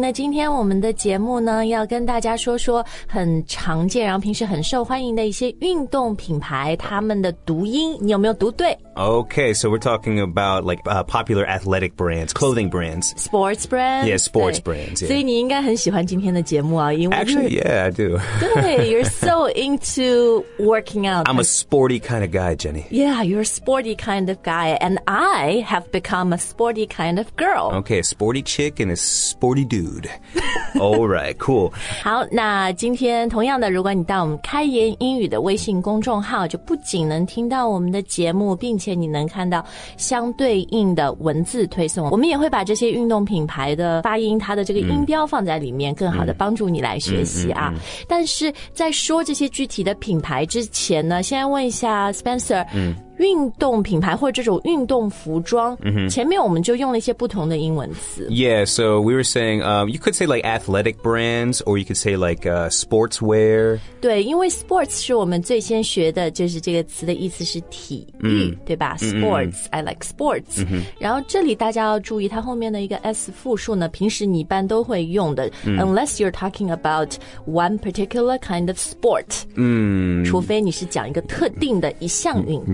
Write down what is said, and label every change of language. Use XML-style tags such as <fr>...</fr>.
<zh>那今天我们的节目呢，要跟大家说说很常见，然后平时很受欢迎的一些运动品牌，他们的读音，你有没有读对？</zh> <en>Okay, so we're talking about like, popular athletic brands, clothing brands. Sports brands. Yeah, sports brands. Yeah.</en> <zh>所以你应该很喜欢今天的节目啊，因为</zh> <en>Actually, yeah, I do. 对, you're so into working out. I'm a sporty kind of guy, Jenny. Yeah, you're a sporty kind of guy, and I have become a sporty kind of girl. Okay, a sporty chick and a sporty dude. Alright, cool.</en> <zh>好，那今天同样的，如果你到我们开言英语的微信公众号，就不仅能听到我们的节目，并且你能看到相对应的文字推送，我们也会把这些运动品牌的发音，它的这个音标放在里面，更好的帮助你来学习啊。但是在说这些具体的品牌之前呢，先问一下 Spencer。运动品牌或者这种运动服装、mm-hmm. 前面我们就用了一些不同的英文词</zh> <en>Yeah, so we were saying、you could say like athletic brands or you could say like、sportswear</en> <zh>对因为 sports 是我们最先学的就是这个词的意思是体育、mm-hmm. 对吧</zh> <en>sports、mm-hmm. I like sports、mm-hmm.</en> <zh>然后这里大家要注意它后面的一个 s 复数呢平时你一般都会用的、mm-hmm.</zh> <en>unless you're talking about one particular kind of sport、 mm-hmm.</en> <zh>除非你是讲一个特定的一项运动、</zh>